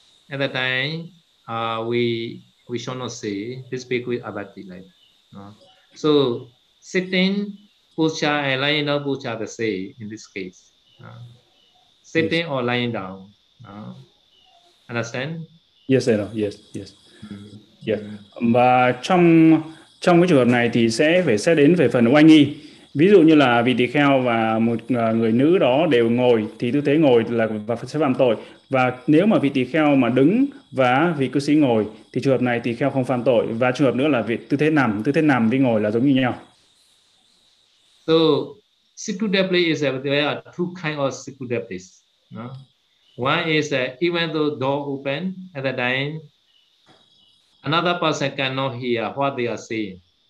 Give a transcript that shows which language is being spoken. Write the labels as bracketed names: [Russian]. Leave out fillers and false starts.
[English] At the time we shall not say this bhikkhu is abati, like, no? So sitting pucha and lying down pucha the same in this case, sitting, yes, or lying down, understand? Yes, I know. Yes, yes. Yeah. [Vietnamese] Và trong cái trường hợp này thì sẽ phải xét đến về phần oai nghi. Ví dụ như là vị tỳ kheo và một người nữ đó đều ngồi thì tư thế ngồi là và sẽ phạm tội. Và nếu mà vị tỳ kheo mà đứng và vị cư sĩ ngồi thì trường hợp này tỳ kheo không phạm tội. Và trường hợp nữa là vị tư thế nằm với ngồi là giống như nhau. [English] So, situdeple is there are two kind of situdeple. One is even though door open at the time, another person cannot hear what they are saying.